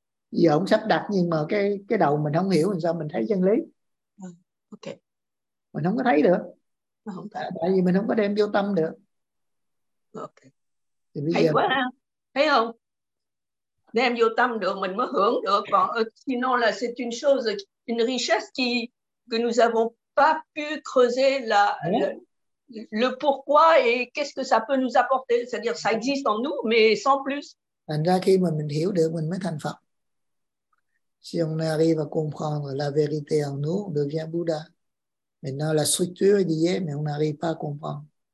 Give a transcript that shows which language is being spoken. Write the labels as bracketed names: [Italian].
[Vietnamese] Giờ ông sắp đặt nhưng mà cái đầu mình không hiểu làm sao mình thấy chân lý. Ok. Mình không có thấy được. Không thể. Tại vì mình không có đem vô tâm được. Ok. Thì bây hay giờ... quá ha. Thấy không? Đem vô tâm được mình mới hưởng được. Còn [French] sinon là c'est une chose, une richesse qui que nous avons pas pu creuser la le pourquoi et qu'est-ce que ça peut nous apporter, c'est-à-dire ça existe en nous mais sans plus. [Vietnamese] Thành ra khi mà mình hiểu được mình mới thành Phật. [French] Si on arrive à comprendre la vérité en nous, on devient Bouddha. Maintenant, la structure y est, mais on n'arrive pas à comprendre.